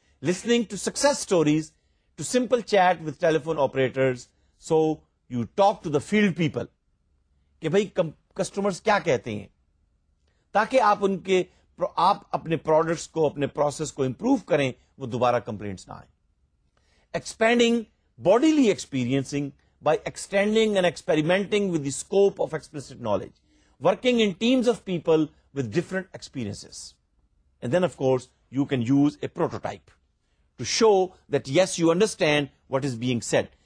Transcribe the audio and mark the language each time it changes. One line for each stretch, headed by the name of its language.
English: Listening to success stories, to simple chat with telephone operators, so you talk to the field people.
Urdu: کہ بھائی customers کیا کہتے ہیں, تاکہ آپ ان کے آپ اپنے پروڈکٹس کو اپنے پروسیس کو امپروو کریں, وہ دوبارہ کمپلینٹس نہ آئیں.
English: Expanding bodily experiencing by extending and experimenting with the scope of explicit knowledge. Working in teams of people with different experiences. And then of course you can use a prototype. To show that yes, you understand what is being said.